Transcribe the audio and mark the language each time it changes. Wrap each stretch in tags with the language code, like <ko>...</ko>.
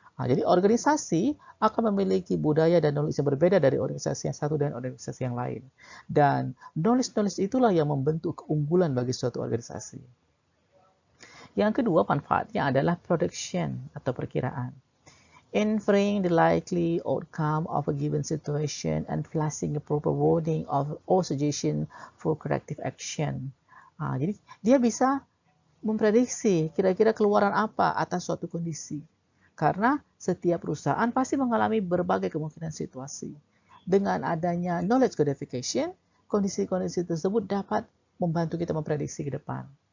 <id>Nah, jadi organisasi akan memiliki budaya dan knowledge yang berbeda dari organisasi yang satu dan organisasi yang lain. Dan knowledge-knowledge itulah yang membentuk keunggulan bagi suatu organisasi. Yang kedua manfaatnya adalah prediction atau perkiraan.</id> <en>Inferring the likely outcome of a given situation and flashing a proper warning of or suggestion for corrective action.</en> <id>Nah, jadi dia bisa memprediksi kira-kira keluaran apa atas suatu kondisi. Karena setiap perusahaan pasti mengalami berbagai kemungkinan situasi. Dengan adanya knowledge codification, kondisi-kondisi tersebut dapat membantu kita memprediksi ke depan.</id>